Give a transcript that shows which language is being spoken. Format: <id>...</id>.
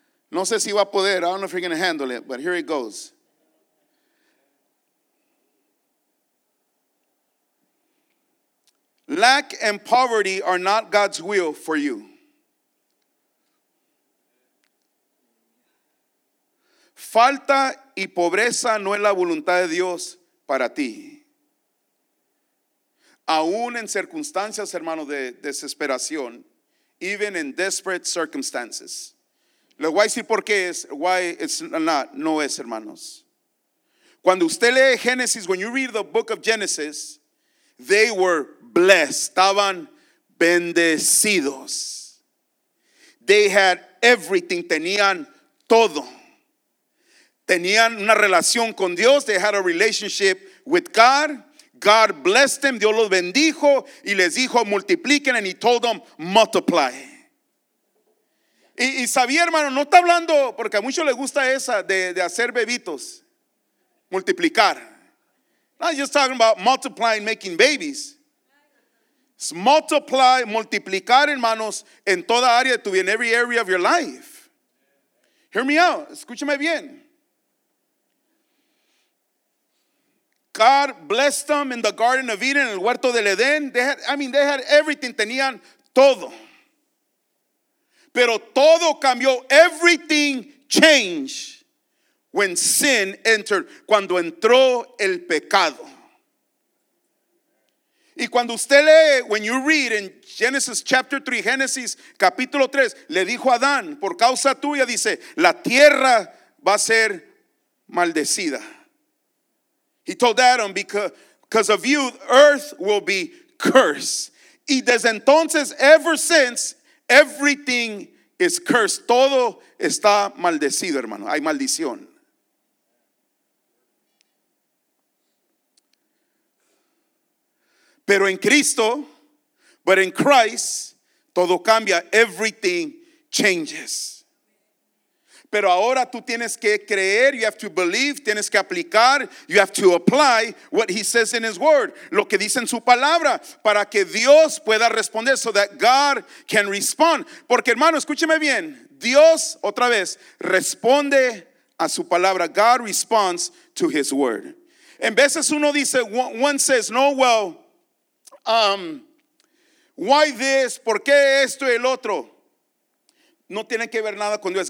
<es>No sé si va a poder,</es> <en>I don't know if you're going to handle it, but here it goes. Lack and poverty are not God's will for you.</en> <es>Falta y pobreza no es la voluntad de Dios para ti. Aún en circunstancias, hermano, de desesperación,</es> <en>even in desperate circumstances.</en> <es>Le voy a decir por qué es,</es> <en>why it's not,</en> <es>no es, hermanos. Cuando usted lee Génesis,</es> <en>when you read the book of Genesis, they were blessed,</en> <es>estaban bendecidos.</es> <en>They had everything,</en> <es>tenían todo. Tenían una relación con Dios,</es> <en>they had a relationship with God. God blessed them,</en> <es>Dios los bendijo y les dijo multipliquen,</es> <en>and he told them multiply.</en> <es>Y sabía, hermano, no está hablando, porque a muchos les gusta esa de hacer bebitos, multiplicar.</es> <en>Not just talking about multiplying, making babies. It's multiply,</en> <es>multiplicar, hermanos, en toda área de tu vida,</es> <en>in every area of your life. Hear me out,</en> <es>escúchame bien.</es> <en>God blessed them in the Garden of Eden,</en> <es>en el huerto del Edén.</es> <en>They had everything,</en> <es>tenían todo. Pero todo cambió,</es> <en>everything changed when sin entered,</en> <es>cuando entró el pecado. Y cuando usted lee,</es> <en>when you read in Genesis chapter 3,</en> <es>Genesis capítulo 3, le dijo a Adán, por causa tuya, dice, la tierra va a ser maldecida.</es> <en>He told Adam, because of you, earth will be cursed.</en> <es>Y desde entonces,</es> <en>ever since, everything is cursed.</en> <es>Todo está maldecido, hermano. Hay maldición. Pero en Cristo,</es> <en>but in Christ,</en> <es>todo cambia.</es> <en>Everything changes.</en> <es>Pero ahora tú tienes que creer,</es> <en>you have to believe,</en> <es>tienes que aplicar,</es> <en>you have to apply what he says in his word,</en> <es>lo que dice en su palabra, para que Dios pueda responder,</es> <en>so that God can respond.</en> <es>Porque hermano, escúcheme bien, Dios, otra vez, responde a su palabra.</es> <en>God responds to his word.</en> <es>En veces uno dice,</es> <en>one says,</en> <es>no,</es> <en>well, why this,</en> <es>¿por qué esto y el otro? No tiene que ver nada con Dios.</es>